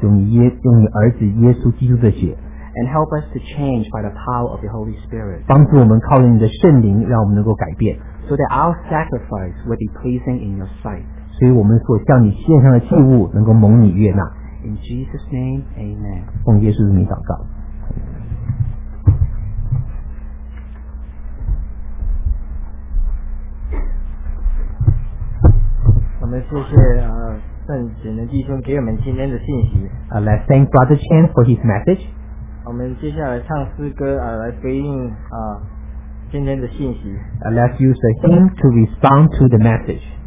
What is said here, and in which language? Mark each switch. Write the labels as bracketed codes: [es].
[zh] 用你儿子耶稣基督的血。 [en] And help us to change by the power of your Holy Spirit. [zh] 帮助我们靠着你的圣灵，让我们能够改变。 [en] So that our sacrifice will be pleasing in your sight. [zh] 所以我们所向你献上的祭物能够蒙你悦纳。 [en] In Jesus' name, Amen. [zh] 奉耶稣的名祷告。我们谢谢圣洁的弟兄给我们今天的信息。 [en] Let's thank Brother Chen for his message. [zh] 我们接下来唱诗歌来回应今天的信息。 [en] Let's use a hymn to respond to the message.